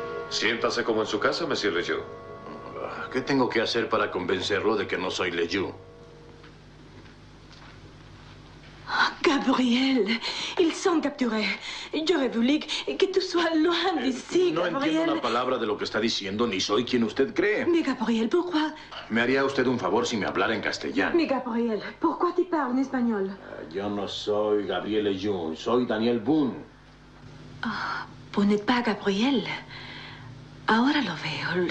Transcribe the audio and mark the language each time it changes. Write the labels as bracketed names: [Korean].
[Spanish] Siéntase como en su casa, Monsieur Leyu. ¿Qué tengo que hacer para convencerlo de que no soy Leyu? [French] Gabriel, ils sont capturés. J'aurais voulu que tú sois loin d'ici, [Spanish] no Gabriel. No entiendo la palabra de lo que está diciendo, ni soy quien usted cree. [French] Mais Gabriel, pourquoi? [Spanish] Me haría usted un favor si me hablara en castellano. [French] Mais Gabriel, pourquoi tu parles en español? [Spanish] Yo no soy Gabriel Leyu, soy Daniel Boone. [French] Vous n'êtes pas Gabriel. [Spanish] Ahora lo veo.